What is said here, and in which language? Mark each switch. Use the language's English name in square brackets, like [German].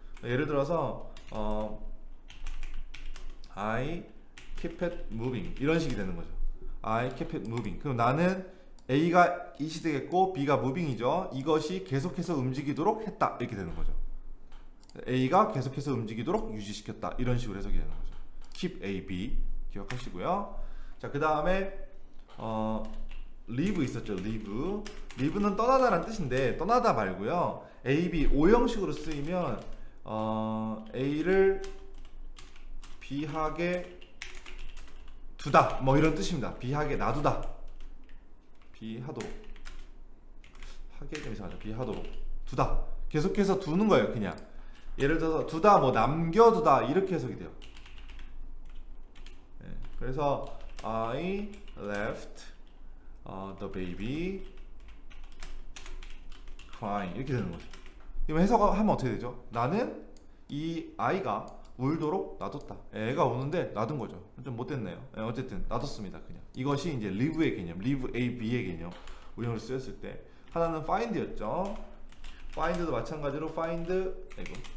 [Korean] 예를 들어서 [English] I keep it moving [Korean] 이런 식이 되는 거죠. [English] I keep it moving. [Korean] 그럼 나는 A가 it이 되겠고 B가 moving이죠. 이것이 계속해서 움직이도록 했다 이렇게 되는 거죠. A가 계속해서 움직이도록 유지시켰다 이런 식으로 해석이 되는 거죠. keep A, B 기억하시고요. 자, 그 다음에 leave 있었죠. [English] leave. [Korean] leave는 떠나다라는 뜻인데 떠나다 말고요. A, B 5형식으로 쓰이면 A를 비하게 두다 뭐 이런 뜻입니다. 비하게 놔두다. 비하도록 하게 좀 이상하죠. 비하도록 두다. 계속해서 두는 거예요. 그냥 예를 들어서 두다 뭐 남겨두다 이렇게 해석이 돼요. 네. 그래서 [English] I left the baby crying [Korean] 이렇게 되는 거죠. 이거 해석하면 어떻게 되죠? 나는 이 아이가 울도록 놔뒀다. 애가 우는데 놔둔 거죠. 좀 못됐네요. 어쨌든 놔뒀습니다. 그냥 이것이 이제 leave의 개념, leave a b의 개념. 운영을 쓰였을 때 하나는 find였죠. find도 마찬가지로 find 아이고.